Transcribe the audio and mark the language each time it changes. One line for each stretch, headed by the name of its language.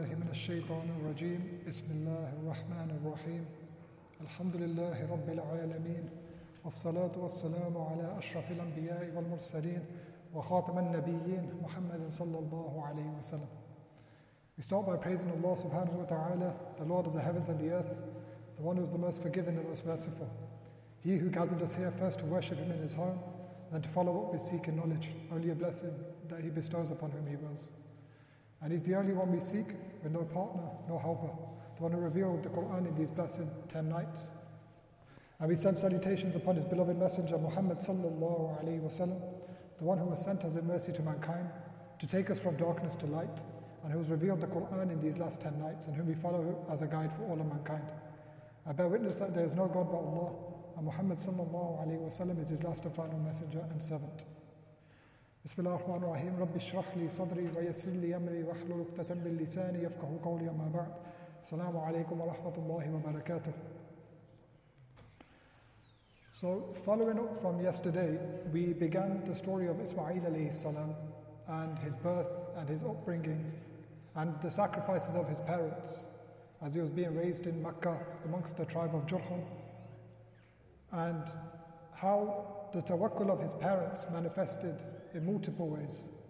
Arabic: الشيطان الرجيم بسم الله الرحمن الرحيم الحمد لله رب العالمين والصلاة والسلام على أشرف الأنبياء والمرسلين وخاتم النبيين محمد صلى الله عليه وسلم.
English: We start by praising Allah subhanahu wa ta'ala, the Lord of the heavens and the earth, the one who is the most forgiving, the most merciful. He who gathered us here first to worship him in his home, then to follow up with seeking knowledge, only a blessing that he bestows upon whom he wills. And he's the only one we seek, with no partner, no helper, the one who revealed the Qur'an in these blessed 10 nights. And we send salutations upon his beloved messenger, Muhammad sallallahu alayhi wa sallam, the one who was sent as a mercy to mankind, to take us from darkness to light, and who has revealed the Qur'an in these last 10 nights, and whom we follow as a guide for all of mankind. I bear witness that there is no God but Allah, and Muhammad sallallahu alayhi wa sallam is his last and final messenger and servant.
Arabic: بسم الله الرحمن الرحيم رب اشرح لي صدري ويسر لي امري واحلل عقدة من لساني يفقهوا قولي اما بعد السلام عليكم ورحمة الله وبركاته.
English: So following up from yesterday, we began the story of Ismail alayhi salam and his birth and his upbringing and the sacrifices of his parents as he was being raised in Mecca amongst the tribe of Jurhum, and how the tawakkul of his parents manifested in multiple ways.